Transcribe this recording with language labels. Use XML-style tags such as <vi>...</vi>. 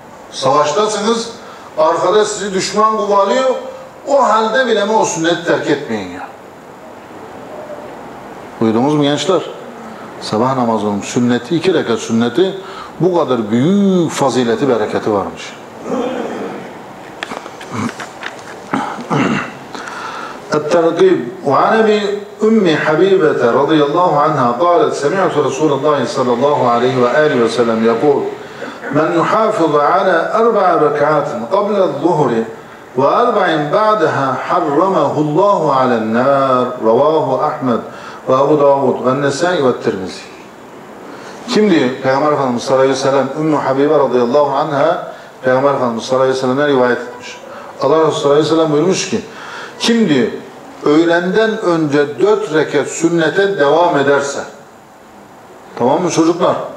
<tr>Savaştasınız, arkada sizi düşman kuvalıyor, o halde bile mi o sünneti terk etmeyin ya. Duydunuz mu gençler? Sabah namazının sünneti, 2 rekat sünneti bu kadar büyük fazileti, bereketi varmış. Et-Tergib ve Nebi Ümmi Habibete radıyallahu anha</tr> <ar>قالت سمعت رسول الله صلى الله عليه وآله وسلم يقول من يحافظ على 4 ركعات قبل الظهر و4 بعدها حرمه الله على النار رواه أحمد</ar> <tr>ve Ebu Davud ve Nesai ve Tirmizi. Kim diyor Peygamber Efendimiz sallallahu aleyhi ve sellem Ümmü Habibe radıyallahu anha Peygamber Efendimiz sallallahu aleyhi ve sellem'e rivayet etmiş. Allah Resulü sallallahu aleyhi ve sellem buyurmuş ki kim diyor öğlenden önce 4 rekat sünnete devam ederse, tamam mı çocuklar?</tr>